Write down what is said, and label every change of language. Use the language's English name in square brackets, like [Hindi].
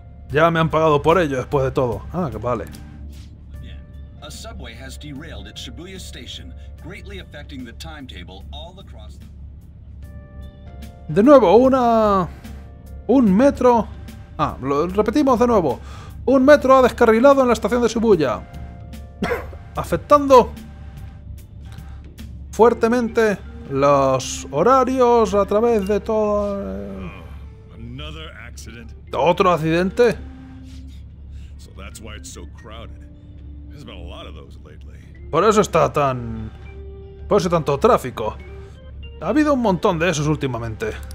[Spanish] Ya me han pagado por ello después de todo. Ah, que vale. [English] A subway has derailed at Shibuya Station, greatly affecting the timetable all across. [Spanish] De nuevo, un metro. Ah, lo repetimos de nuevo. Un metro ha descarrilado en la estación de Shibuya, afectando fuertemente los horarios a través de todo. [English] Another accident. [Spanish] ¿Otro accidente? [English] So that's why it's so crowded. There's been a lot of those lately. [Spanish] Por eso está tan... por eso tanto tráfico. Ha habido un montón de esos últimamente.